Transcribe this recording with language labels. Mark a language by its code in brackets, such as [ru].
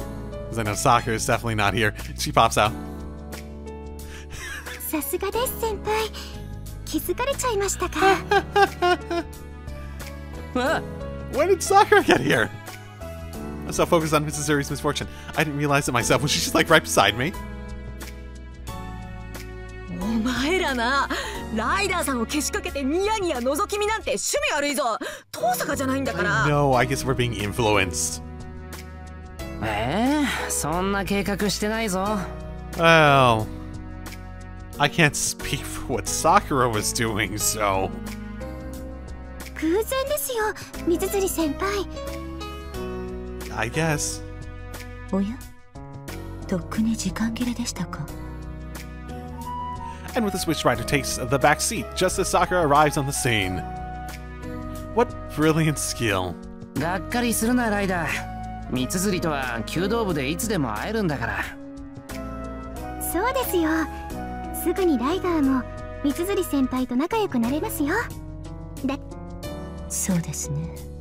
[en] Because I know Sakura is definitely not here. She pops out. [ja] さすがです、先輩。気づかれちゃいましたか？ [en] When did Sakura get here? I'm so focused on Mrs. Uri's misfortune. I didn't realize it myself. Was she just like right beside me? [ja] お前らな、ライダーさんをけしかけてニヤニヤ覗き見なんて趣味悪いぞ。遠坂じゃないんだから。 [en] No, I guess we're being influenced. [ja] そんな計画してないぞ。 [en] Well, I can't speak for what Sakura was doing, so... [ja] 偶然ですよ、水釣り先輩。 [en] I guess. [ja] おや？とっくに時間切れでしたか？ [en] And with the switch rider takes the back seat just as Sakura arrives on the scene. What brilliant skill. [ja] がっかりするな、ライダー。三つ釣りとは弓道部でいつでも会えるんだから。そうですよ。すぐにライダーも三つ釣り先輩と仲良くなれますよ。だ、そうですね。